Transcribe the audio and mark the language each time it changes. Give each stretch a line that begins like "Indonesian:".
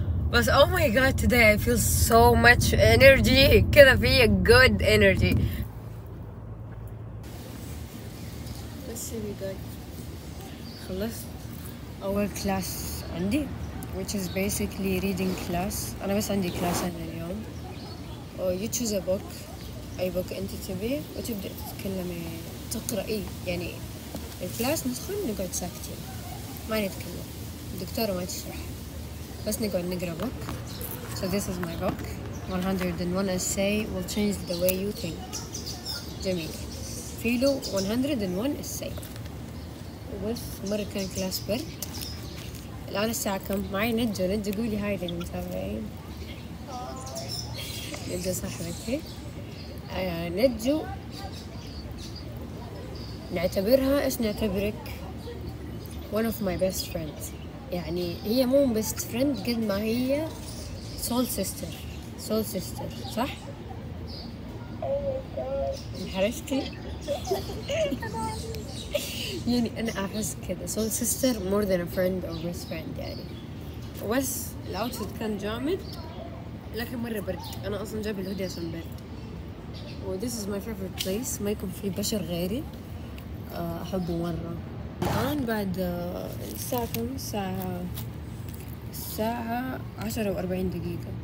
English: بس oh my god today I feel so much energy،
Arabic: كذا في
English: good energy.
Arabic: خلصت اول كلاس عندي،
English: which is basically reading class.
Arabic: انا بس عندي كلاس اليوم.
English: You choose a book،
Arabic: اي بوك انت تبي، وتبدا تتكلمي تقراي. يعني الكلاس ندخل نقعد ساكتين ما نتكلم، الدكتوره ما تشرح، بس نقعد نقرا بوك.
English: So this is my book، 101 essay will change the way you think.
Arabic: جميل. فيلو 101 essay. مرة كان كلاس برد. الآن الساعة كم؟ معي نجا. نجا قولي هاي للمتابعين. نجا صاحبتي. نجا نعتبرها، ايش نعتبرك؟
English: one of my best friends.
Arabic: يعني هي مو best friend قد ما هي soul sister.
English: soul sister
Arabic: صح؟
English: oh my god.
Arabic: يعني أنا أحس كذا
English: soul sister more than a friend or best friend.
Arabic: يعني بس الأوتفيت كان جامد، لكن مرة برد. أنا أصلا جايب الهودي عشان برد. و
English: this is my favorite place،
Arabic: ما يكون فيه بشر غيري، أحبه مرة. الآن بعد الساعة كم؟ الساعة 10:40.